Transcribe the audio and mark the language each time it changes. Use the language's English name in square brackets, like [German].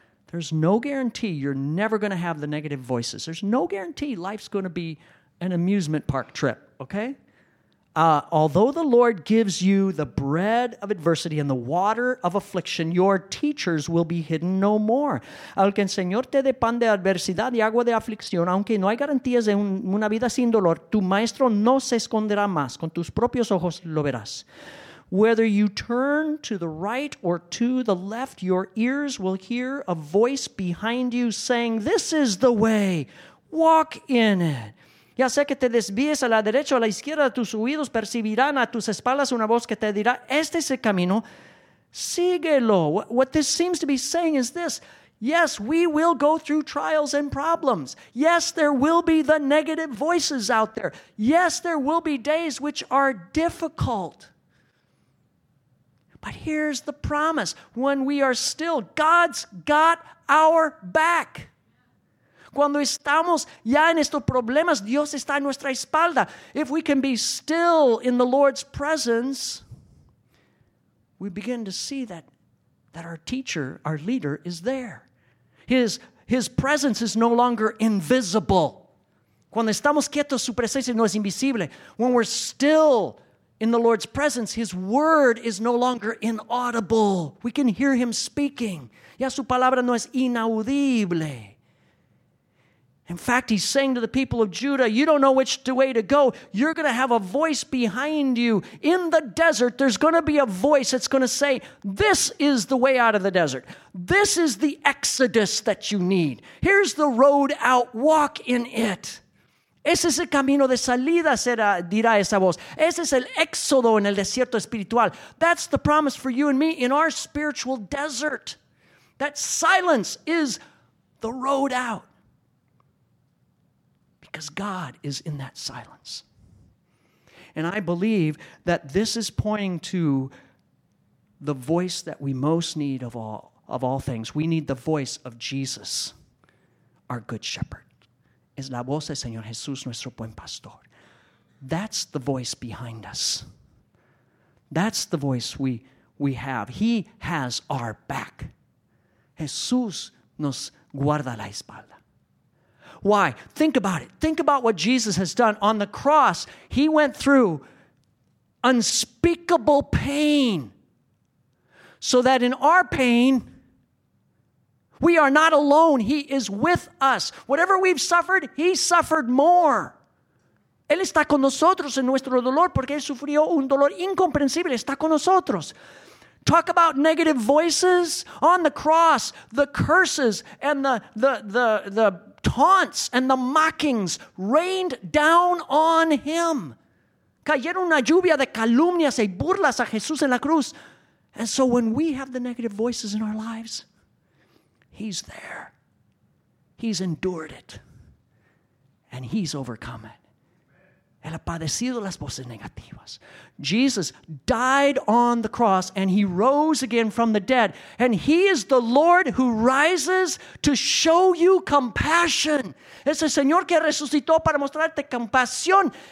[English] There's no guarantee you're never going to have the negative voices. There's no guarantee life's going to be an amusement park trip, okay? Although the Lord gives you the bread of adversity and the water of affliction, your teachers will be hidden no more. [Spanish] Aunque el Señor te dé pan de adversidad y agua de aflicción, aunque no hay garantías de una vida sin dolor, tu maestro no se esconderá más. Con tus propios ojos lo verás. [English] Whether you turn to the right or to the left, your ears will hear a voice behind you saying, "This is the way. Walk in it." [Spanish] Ya sea que te desvíes a la derecha o a la izquierda, tus oídos percibirán a tus espaldas una voz que te dirá, este es el camino, síguelo. [English] What this seems to be saying is this. Yes, we will go through trials and problems. Yes, there will be the negative voices out there. Yes, there will be days which are difficult. But here's the promise. When we are still, God's got our back. [Spanish] Cuando estamos ya en estos problemas, Dios está en nuestra espalda. [English] If we can be still in the Lord's presence, we begin to see that our teacher, our leader, is there. His presence is no longer invisible. [Spanish] Cuando estamos quietos, su presencia no es invisible. [English] When we're still in the Lord's presence, His word is no longer inaudible. We can hear Him speaking. [Spanish] Ya su palabra no es inaudible. [English] In fact, he's saying to the people of Judah, you don't know which way to go. You're going to have a voice behind you. In the desert, there's going to be a voice that's going to say, this is the way out of the desert. This is the exodus that you need. Here's the road out. Walk in it. [Spanish] Ese es el camino de salida, dirá esa voz. Ese es el éxodo en el desierto espiritual. [English] That's the promise for you and me in our spiritual desert. That silence is the road out. Because God is in that silence. And I believe that this is pointing to the voice that we most need of all things. We need the voice of Jesus, our good shepherd. [Spanish] Es la voz del Señor Jesús, nuestro buen pastor. [English] That's the voice behind us. That's the voice we have. He has our back. [Spanish] Jesús nos guarda la espalda. [English] Why? Think about it. Think about what Jesus has done on the cross. He went through unspeakable pain, so that in our pain, we are not alone. He is with us. Whatever we've suffered, He suffered more. [Spanish] Él está con nosotros en nuestro dolor porque Él sufrió un dolor incomprensible. Está con nosotros. [English] Talk about negative voices on the cross, the curses and the taunts and the mockings rained down on Him. [Spanish] Cayeron una lluvia de calumnias y burlas a Jesús en la cruz. [English] And so when we have the negative voices in our lives, He's there. He's endured it. And He's overcome it. [Spanish] Él ha padecido las voces negativas. [English] Jesus died on the cross and He rose again from the dead. And He is the Lord who rises to show you compassion. [Spanish] Es el Señor que resucitó para mostrarte compasión.